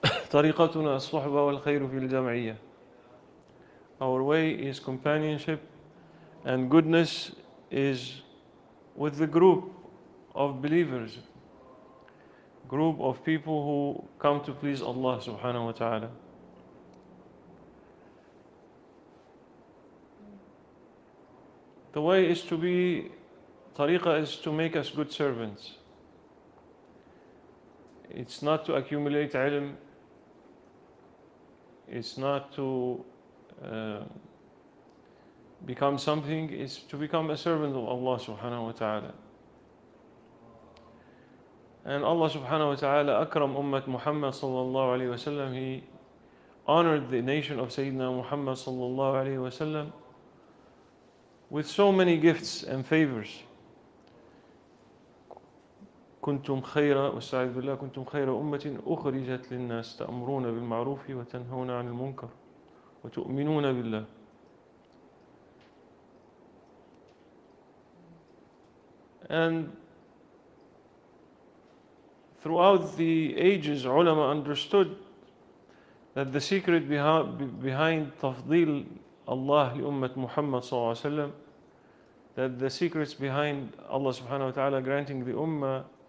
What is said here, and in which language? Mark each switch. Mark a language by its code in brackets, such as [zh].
[ar] طريقتنا الصحبة والخير في الجمعية. [en] Our way is companionship and goodness is with the group of believers, group of people who come to please Allah subhanahu wa ta'ala. The way is to be, tariqah is to make us good servants. It's not to accumulate ilm. It's not to become something. It's to become a servant of Allah subhanahu wa ta'ala. And Allah subhanahu wa ta'ala akram ummat Muhammad sallallahu alayhi wa sallam. He honored the nation of Sayyidina Muhammad sallallahu alayhi wa sallam with so many gifts and favors. [ar] كنتم خيرا واستعذ بالله كنتم خيرا أمة أخرجت للناس تأمرون بالمعروف وتنهون عن المنكر وتؤمنون بالله. [en] And throughout the ages, ulama understood that the secret behind [ar] تفضيل الله لأمة محمد صلى الله عليه وسلم, [en] that the secrets behind Allah subhanahu wa ta'ala granting the ummah